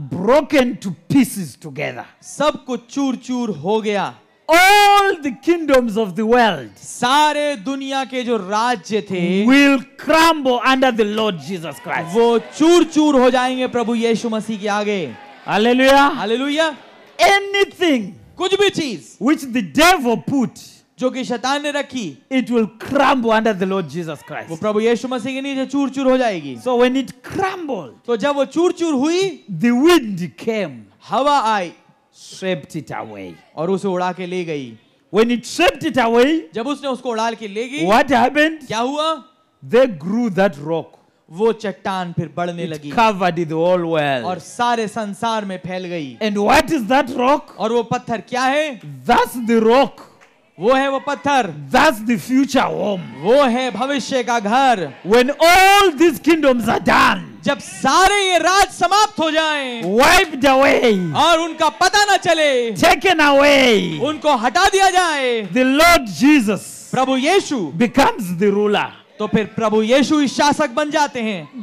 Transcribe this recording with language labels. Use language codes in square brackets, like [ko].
[en] broken to pieces together, [hi] सब कुछ चूर चूर हो गया [en] All the kingdoms of the world, [hi] सारे दुनिया के जो राज्य थे, [en] will crumble under the Lord Jesus Christ. [hi] वो चूर चूर हो जाएंगे प्रभु यीशु मसीह के आगे. Hallelujah. Hallelujah. [en] Anything, [hi] कुछ भी चीज, [en] which the devil put, [hi] जो कि शैतान ने रखी, [en] it will crumble under the Lord Jesus Christ. [hi] वो प्रभु यीशु मसीह के नीचे चूर चूर हो जाएगी. [en] So when it crumbled, [hi] तो जब वो चूर चूर हुई, [en] the wind came, [hi] हवा आई. [en] Swept it away. [hi] और उसे उड़ा के ले गई. [en] When it swept it away, [hi] जब उसने उसको उड़ा के ले गई, [en] what happened? [hi] क्या हुआ? [en] They grew that rock. [hi] वो चट्टान फिर बढ़ने लगी. [en] Covered the whole world. [hi] और सारे संसार में फैल गई. [en] And what is that rock? [hi] और वो पत्थर क्या है? [en] That's the rock. [hi] वो है वो पत्थर. [en] That's the future home. [hi] वो है भविष्य का घर. [en] When all these kingdoms are done. [hi] जब सारे ये राज समाप्त हो जाएं, [en] wiped away, [hi] और उनका पता ना चले, [en] taken away, [hi] उनको हटा दिया जाए, [en] the Lord Jesus, [hi] Prabhu Yeshu, [en] becomes the ruler, [hi] तो फिर प्रभु यीशु ही शासक बन जाते हैं,